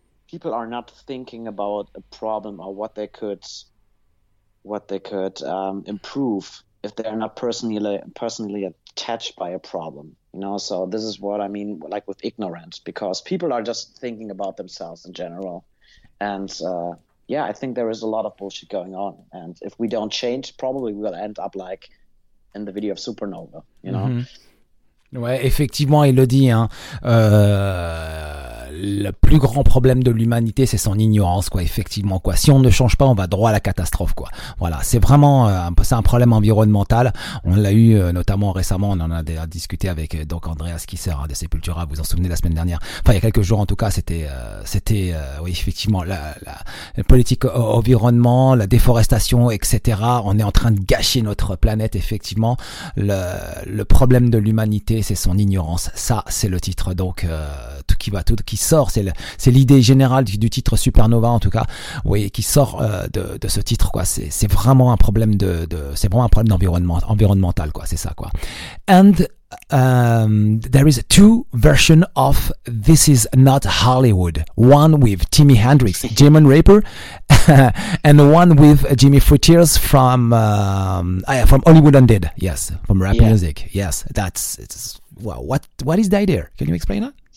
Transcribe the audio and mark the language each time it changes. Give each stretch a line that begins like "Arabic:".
English: People are not thinking about a problem or what they could improve if they're not personally attached by a problem, you know? So this is what I mean, like with ignorance, because people are just thinking about themselves in general. And yeah, I think there is a lot of bullshit going on. And if we don't change, probably we will end up like in the video of Supernova, you know? Mm-hmm.
French: Ouais, effectivement, il le dit, hein. Le plus grand problème de l'humanité, c'est son ignorance, quoi. Effectivement, quoi. Si on ne change pas, on va droit à la catastrophe, quoi. Voilà. C'est vraiment, c'est un problème environnemental. On l'a eu, notamment récemment. On en a discuté avec, donc, Andreas Kisser, hein, de Sepultura. Vous en souvenez la semaine dernière. Enfin, il y a quelques jours, en tout cas, c'était, effectivement, la politique environnement, la déforestation, etc. On est en train de gâcher notre planète, effectivement. Le problème de l'humanité, c'est son ignorance. Ça, c'est le titre. Donc, qui sort, c'est l'idée générale du titre Supernova, en tout cas, oui, qui sort de ce titre, quoi. C'est vraiment un problème c'est vraiment un problème environnemental, quoi. C'est ça, quoi.
English: And there is two versions of This Is Not Hollywood. One with Jimi Hendrix, Demon Reaper, and one with Jimmy Frutiers from Hollywood Undead. Yes, from rap music. Yes, what is the idea? Can you explain that?